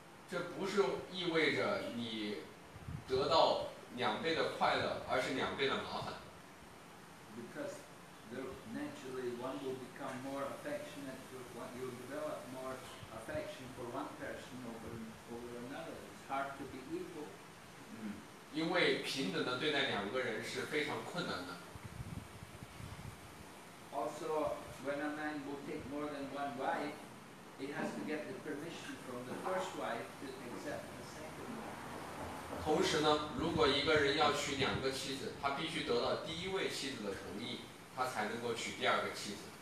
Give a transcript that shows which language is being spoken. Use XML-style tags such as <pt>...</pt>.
<zh>这不是意味着你得到两倍的快乐，而是两倍的麻烦。</zh> <en>Because there naturally one will become more affectionate to one, you develop more affection for one person over another. It's hard to be equal.</en> <zh>因为平等的对待两个人是非常困难的。</zh> <en>Also, when a man will take more than one wife, he has to get the permission from the first wife to accept the second wife.</en> <zh>同时呢，如果一个人要娶两个妻子，他必须得到第一位妻子的同意，他才能够娶第二个妻子。</zh>